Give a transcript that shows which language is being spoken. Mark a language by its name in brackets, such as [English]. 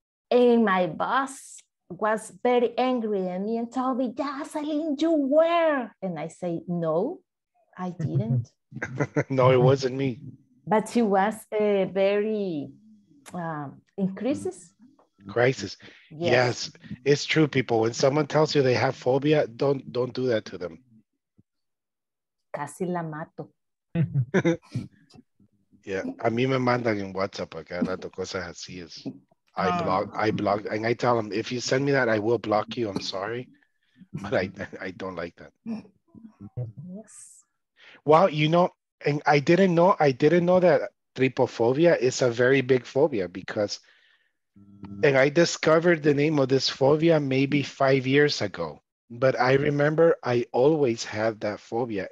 [English] And my boss was very angry at me and told me, "Jocelyn, you were," and I say, "No, I didn't." No, it wasn't me. But she was a very crisis. Yes, it's true, people. When someone tells you they have phobia, don't do that to them. [Spanish] Casi la mato. Yeah, a mí me mandan en WhatsApp acá rato cosas así. [English] Es I block, and I tell them, "If you send me that, I will block you. I'm sorry, but I don't like that." Yes. Well, you know, and I didn't know that trypophobia is a very big phobia, because, and I discovered the name of this phobia maybe 5 years ago, but I remember I always had that phobia.